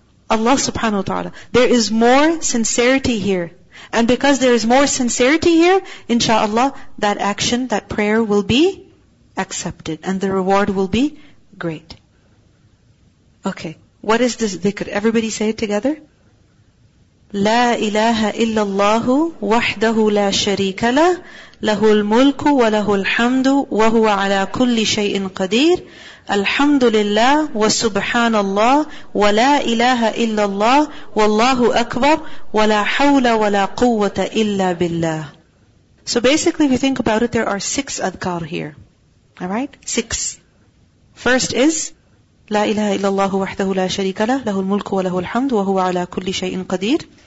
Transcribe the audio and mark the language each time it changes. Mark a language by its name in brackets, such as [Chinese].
[English] Allah subhanahu wa ta'ala. There is more sincerity here. And because there is more sincerity here, inshaAllah, that action, that prayer will be accepted. And the reward will be great. Okay. What is this dhikr? Everybody say it together. [Arabic] لا إله إلا الله وحده لا شريك له له الملك وله الحمد وهو على كل شيء قدير الحمد لله وسبحان الله ولا إله إلا الله والله أكبر ولا حول ولا قوة إلا بالله. [English] So basically, if you think about it, there are six adhkar here. Alright? Six. First is [Arabic] لا إله إلا الله وحده لا شريك له له الملك وله الحمد وهو على كل شيء قدير.